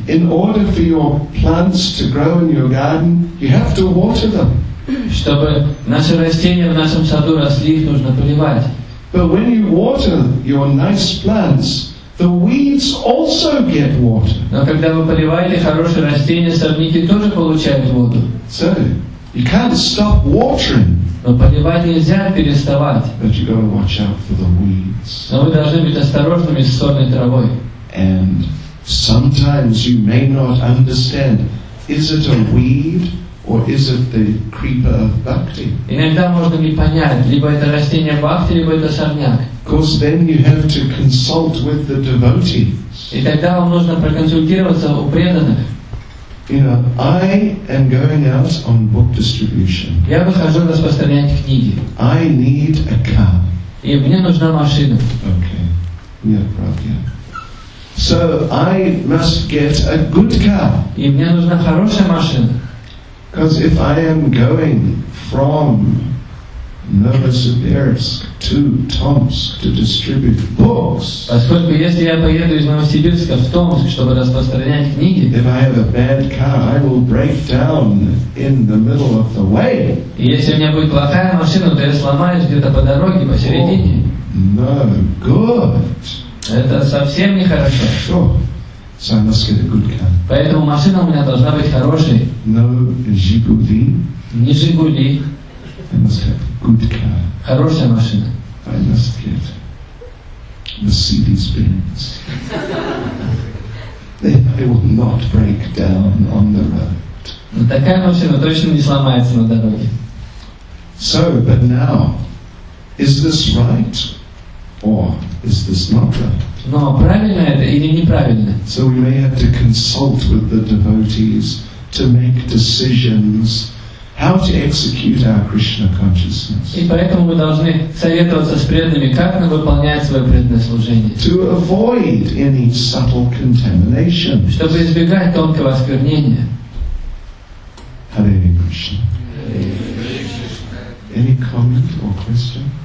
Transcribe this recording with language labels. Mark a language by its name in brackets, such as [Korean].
[English] In order for your plants to grow in your garden, you have to water them. [Russian] Чтобы наши растения в нашем саду росли, их нужно поливать. [English] But when you water your nice plants, the weeds also get water. [Russian] Но когда вы поливаете хорошие растения, сорняки тоже получают воду. [English] So, you can't stop watering. [Russian] Но поливать нельзя переставать. [English] But you gotta watch out for the weeds. [Russian] Но вы должны быть осторожными с сорной травой. [English] And sometimes you may not understand, is it a weed or is it the creeper of bhakti? [Russian] Иногда можно не понять, либо это растение бхакти, либо это сорняк. [English] Of course, then you have to consult with the devotees. [Russian] И тогда вам нужно проконсультироваться у преданных. [English] You know, I am going out on book distribution. [Russian] Я выхожу распространять книги. [English] I need a car. [Russian] И мне нужна машина. [English] Okay. Yeah, right, yeah. So I must get a good car. [Russian] И мне нужна хорошая машина. [English] Because if I am going from Novosibirsk to Tomsk to distribute books. [Russian] Поскольку если я поеду из Новосибирска в Томск, чтобы распространять книги, [English] if I have a bad car, I will break down in the middle of the way. [Russian] И если у меня будет плохая машина, то я сломаюсь где-то по дороге посередине. [English] No good. [Russian] Это совсем не хорошо. [English] Sure. So I must get a good car. [Russian] Поэтому машина у меня должна быть хорошей. [English] No Жигули. [Russian] Не Жигули. [English] I must have a good car. [Russian] Хорошая машина. [English] I must get Mercedes-Benz. Then I will not break down on the road. [Russian] Но такая машина точно не сломается на дороге. [English] So, but now, is this right or is this not right? [Russian] Но правильно это или неправильно? [English] So we may have to consult with the devotees to make decisions how to execute our Krishna consciousness. [Russian] И поэтому мы должны советоваться с преданными, как нам выполнять свое преданное служение. [English] To avoid any subtle contamination. [Russian] Чтобы избегать тонкого осквернения. [English] Hare Krishna. Any comment or question?